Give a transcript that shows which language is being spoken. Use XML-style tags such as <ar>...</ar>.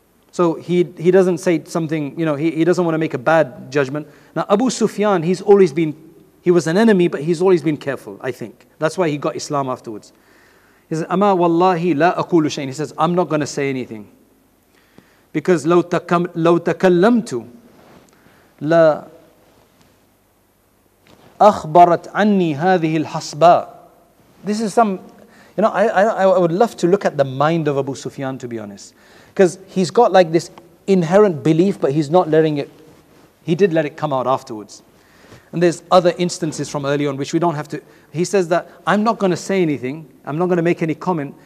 <en>So he doesn't say something, you know, he doesn't want to make a bad judgment. Now Abu Sufyan, he was an enemy, but he's always been careful, I think. That's why he got Islam afterwards. He says,</en> <ar>Ama wallahi la akulu shayn.</ar> <en>He says, I'm not going to say anything.</en> <ar>Because لو تكلمت لا أخبرت عني هذه الحصباء.</ar> <en>This is some, you know, I would love to look at the mind of Abu Sufyan, to be honest. Because he's got like this inherent belief, but he's not letting it. He did let it come out afterwards. And there's other instances from early on, which we don't have to. He says that, I'm not going to say anything. I'm not going to make any comment.</en>